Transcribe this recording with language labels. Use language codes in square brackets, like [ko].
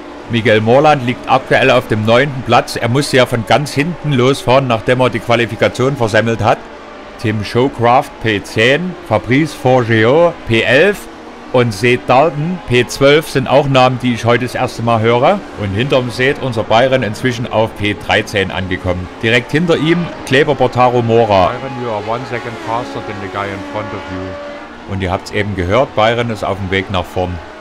[de] Miguel Moorland liegt aktuell auf dem 9. Platz. Er musste ja von ganz hinten losfahren, nachdem er die Qualifikation versemmelt hat. Tim Showcraft P10, Fabrice Forgeot P11 und Seth Dalton P12 sind auch Namen, die ich heute das erste Mal höre. Und hinterm Seth unser Bayern inzwischen auf P13 angekommen. Direkt hinter ihm Kleber Botaro Mora. [en] Bayern, you are 1 second faster than the guy in front of you. [de] Und ihr habt es eben gehört, Bayern ist auf dem Weg nach vorn.